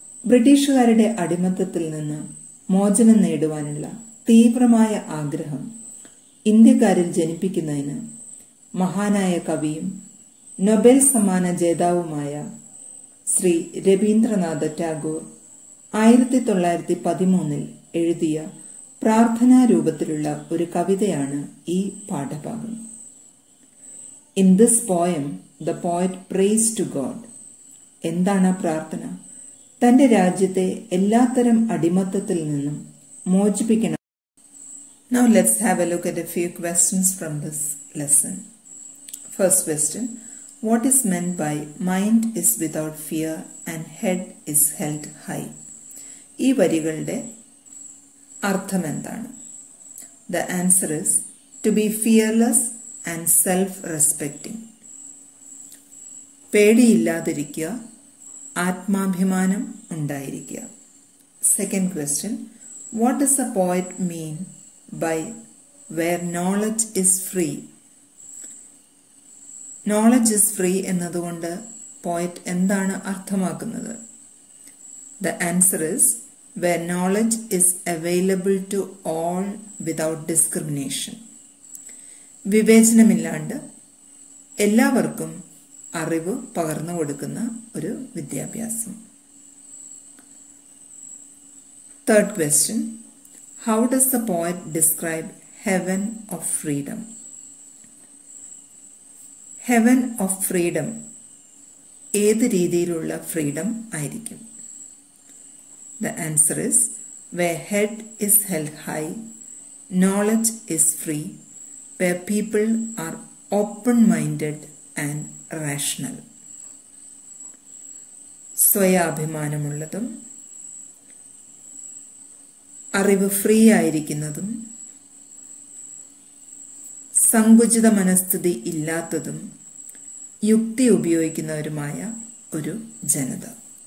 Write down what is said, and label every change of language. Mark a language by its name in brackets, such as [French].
[Malayalam] ബ്രിട്ടീഷുകാരുടെ അടിമത്തത്തിൽ നിന്ന് മോചനം നേടുവാനുള്ള തീവ്രമായ ആഗ്രഹം ഇന്ത്യക്കാരിൽ ജനിപ്പിക്കുന്നതിന് മഹാനായ കവിയും നൊബേൽ സമ്മാന ജേതാവുമായ ശ്രീ രവീന്ദ്രനാഥ ടാഗോർ 1913 എഴുതിയ പ്രാർത്ഥനാരൂപത്തിലുള്ള ഒരു കവിതയാണ് ഈ പാഠഭാഗം. [English] In this poem, the poet prays to God. [Malayalam] എന്താണ് പ്രാർത്ഥന? തന്റെ രാജ്യത്തെ എല്ലാത്തരം അടിമത്തത്തിൽ നിന്നും മോചിപ്പിക്കണം. [English] Now let's have a look at a few questions from this lesson. First question, what is meant by mind is without fear and head is held high? [Malayalam] ഈ വരികളുടെ അർത്ഥം എന്താണ്? [English] The answer is to be fearless and self-respecting. [Malayalam] പേടിയില്ലാതിരിക്കുക, ആത്മാഭിമാനം ഉണ്ടായിരിക്കുക. [English] Second question, what does a poet mean by where knowledge is free? Knowledge is free [Malayalam] എന്നതുകൊണ്ട് poet എന്താണ് അർത്ഥമാക്കുന്നത്? [English] The answer is where knowledge is available to all without discrimination. [Malayalam] വിവേചനമില്ലാണ്ട് എല്ലാവർക്കും അറിവ് പകർന്നു കൊടുക്കുന്ന ഒരു വിദ്യാഭ്യാസം. [English] Third question, how does the poet describe heaven of freedom? Heaven of freedom, [Malayalam] ഏത് രീതിയിലുള്ള ഫ്രീഡം ആയിരിക്കും? [English] The answer is where head is held high, knowledge is free, where people are open-minded and rational. [Malayalam] സ്വയാഭിമാനമുള്ളതും അറിവ് free ആയിരിക്കുന്നതും സങ്കുചിത മനസ്ഥിതി ഇല്ലാത്തതും യുക്തി ഉപയോഗിക്കുന്നവരുമായ ഒരു ജനത.